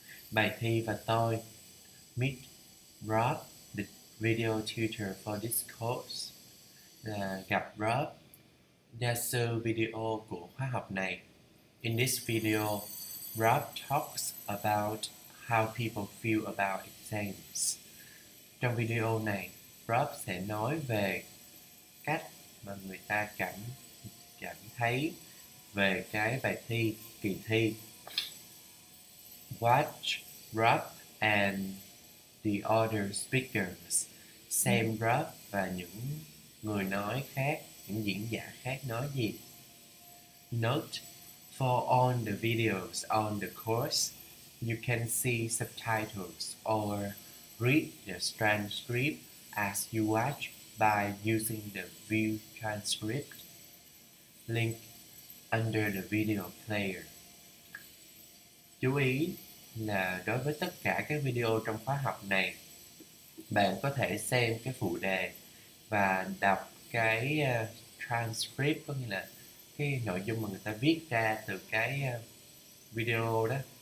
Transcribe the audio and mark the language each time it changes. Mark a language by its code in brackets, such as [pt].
[vi] Bài thi và tôi. [en] Meet Rob, the video tutor for this course. [vi] Là gặp Rob, gia sư video của khóa học này. [en] In this video, Rob talks about how people feel about exams. [vi] Trong video này, Rob sẽ nói về cách mà người ta cảm thấy về cái bài thi, kỳ thi. [en] Watch Rob and the other speakers. [vi] Xem Rob và những người nói khác, những diễn giả khác nói gì. [en] Note for all the videos on the course, you can see subtitles or read the transcript as you watch by using the view transcript link under the video player. [vi] Chú ý là đối với tất cả các video trong khóa học này, bạn có thể xem cái phụ đề và đọc cái transcript, có nghĩa là cái nội dung mà người ta viết ra từ cái video đó.